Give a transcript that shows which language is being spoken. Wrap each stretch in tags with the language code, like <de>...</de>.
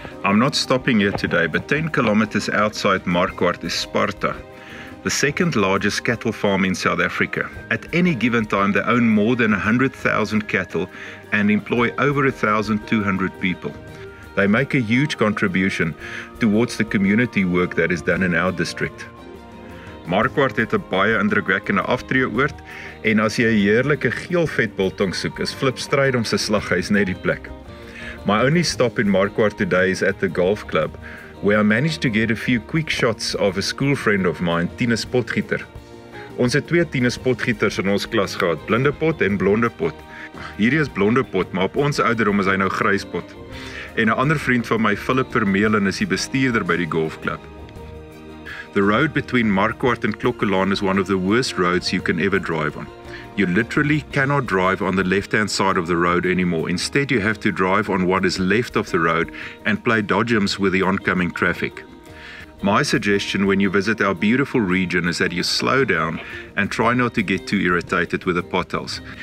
<en>I'm not stopping here today, but 10 kilometers outside Marquardt is Sparta, the second largest cattle farm in South Africa. At any given time, they own more than 100,000 cattle and employ over 1,200 people. They make a huge contribution towards the community work that is done in our district.</en> <af>Markwart het 'n baie indrukwekkende aftreë oord en as jy 'n heerlike geel vetbiltong soek, is Flipstryd om se slaghuis net die plek.</af> <en>My only stop in Markwart today is at the golf club, where I managed to get a few quick shots of a school friend of mine, Tinus Potgieter.</en> <af>Ons het twee Tinus Potgieters in ons klas gehad, Blinde Pot en Blonde Pot. Hierdie is Blonde Pot, maar op ons ouderdom is hy nou Grys Pot. En 'n ander vriend van my, Philip Vermeulen, is die bestuurder by die golf club.</af> <en>The road between Markwart and Klokkelaan is one of the worst roads you can ever drive on. You literally cannot drive on the left-hand side of the road anymore. Instead, you have to drive on what is left of the road and play dodgems with the oncoming traffic. My suggestion when you visit our beautiful region is that you slow down and try not to get too irritated with the potholes.</en>